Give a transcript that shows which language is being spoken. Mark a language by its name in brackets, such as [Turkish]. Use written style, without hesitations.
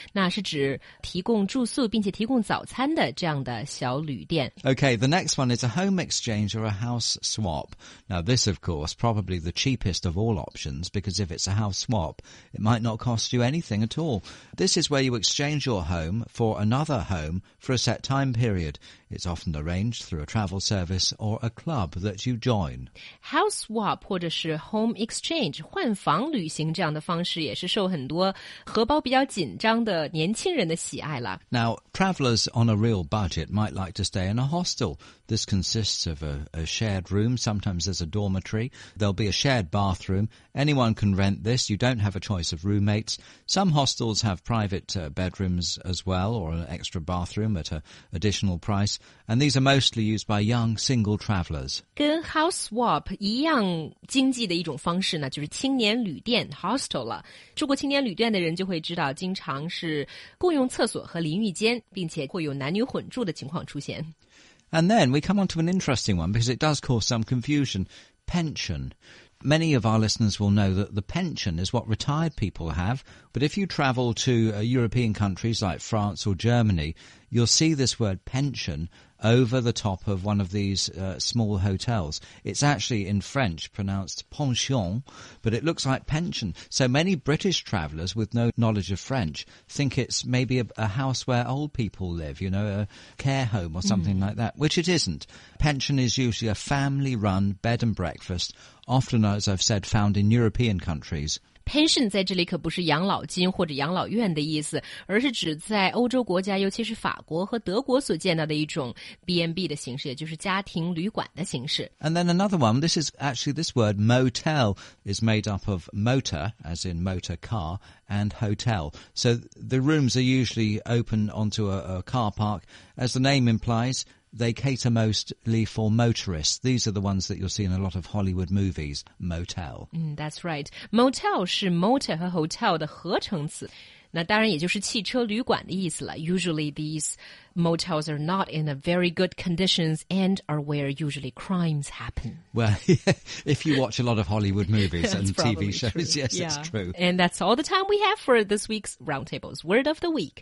[Chinese] 那是指提供住宿并且提供早餐的这样的小旅店。 [English] Okay, the next one is a home exchange or a house swap. Now this, of course, probably the cheapest of all options, because if it's a house swap, it might not cost you anything at all. This is where you exchange your home for another home for a set time period. It's often arranged through a travel service or a club that you join. [Chinese] House swap 或者是 home exchange 换房旅行这样的方式也是受很多荷包比较紧张的年轻人的喜爱了。 [English] Now, travelers on a real budget might like to stay in a hostel. This consists of a shared room. Sometimes there's a dormitory. There'll be a shared bathroom. Anyone can rent this. You don't have a choice of roommates. Some hostels have private bedrooms as well, or an extra bathroom at an additional price. And these are mostly used by young single travelers. [Chinese] 跟 house swap 一样经济的一种方式呢，就是青年旅店 hostel 了。住过青年旅店的人就会知道，经常是共用厕所和淋浴间，并且会有男女混住的情况出现。 [English] And then we come on to an interesting one, because it does cause some confusion. Pension. Many of our listeners will know that the pension is what retired people have. But if you travel to European countries like France or Germany, you'll see this word pension over the top of one of these small hotels. It's actually in French pronounced pension, but it looks like pension. So many British travellers with no knowledge of French think it's maybe a house where old people live, you know, a care home or something like that, which it isn't. Pension is usually a family-run bed and breakfast, often, as I've said, found in European countries. [Chinese] Pension 在这里可不是养老金或者养老院的意思，而是指在欧洲国家，尤其是法国和德国所见到的一种 B&B 的形式，也就是家庭旅馆的形式。 [English] And then another one, this is actually this word motel is made up of motor, as in motor car, and hotel. So the rooms are usually open onto a car park, as the name implies,They cater mostly for motorists. These are the ones that you'll see in a lot of Hollywood movies, motel. That's right. [Chinese] Motel 是 motor 和 hotel 的合成词。那当然也就是汽车旅馆的意思了。 [English] Usually these motels are not in a very good conditions and are where usually crimes happen. Well, if you watch a lot of Hollywood movies and TV shows, yes, yeah. It's true. And that's all the time we have for this week's Roundtable's Word of the Week.